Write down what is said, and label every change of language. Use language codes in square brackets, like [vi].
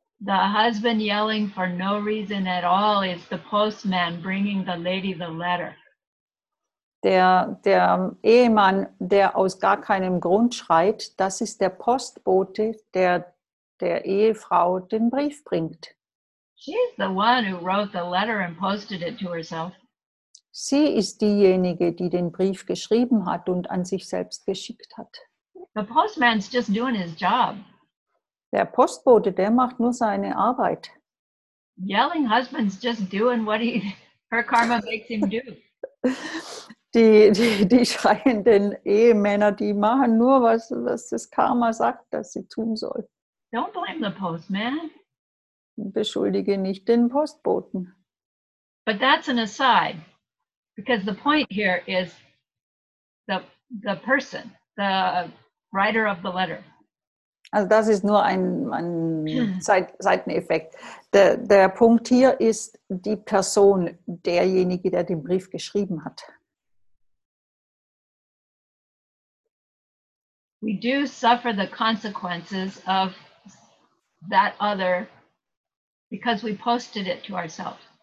[en] The husband yelling for no reason at all is the postman bringing the lady the letter. [de] Der Ehemann, der aus gar keinem Grund schreit, das ist der Postbote, der Ehefrau den Brief bringt. [en] She's the one who wrote the letter and posted it to herself. [de] Sie ist diejenige, die den Brief geschrieben hat und an sich selbst geschickt hat. [en] The postman's just doing his job. [de] Der Postbote, der macht nur seine Arbeit. [en] Yelling husband's just doing what her karma makes him do. [de] Die schreienden Ehemänner, die machen nur, was das Karma sagt, dass sie tun soll. [en] Don't blame the postman. [de] Beschuldige nicht den Postboten. [en] But that's an aside, because the point here is the person, the writer of the letter. [de] Also das ist nur ein Seiteneffekt. Der Punkt hier ist die Person, derjenige, der den Brief geschrieben hat. [en] We do suffer the consequences of that other because we posted it to ourselves.